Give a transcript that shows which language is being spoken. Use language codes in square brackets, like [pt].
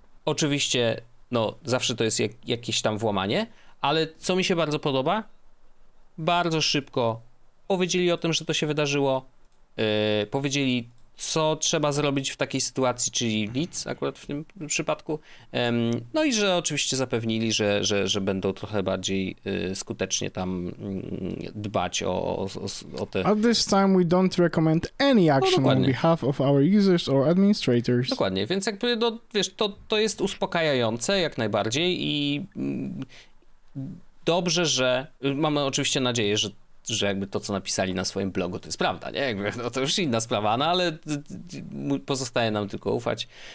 [pl] Oczywiście, no, zawsze to jest jakieś tam włamanie, ale co mi się bardzo podoba, bardzo szybko powiedzieli o tym, że to się wydarzyło, powiedzieli, co trzeba zrobić w takiej sytuacji, czyli nic akurat w tym przypadku. No i że oczywiście zapewnili, że będą trochę bardziej skutecznie tam dbać o te... [en] At this time we don't recommend any action on behalf of our users or administrators. [pl] Dokładnie, więc jakby, no, wiesz, to jest uspokajające jak najbardziej i dobrze, że mamy oczywiście nadzieję, że jakby to, co napisali na swoim blogu, to jest prawda, nie? Jakby, no to już inna sprawa, no ale pozostaje nam tylko ufać.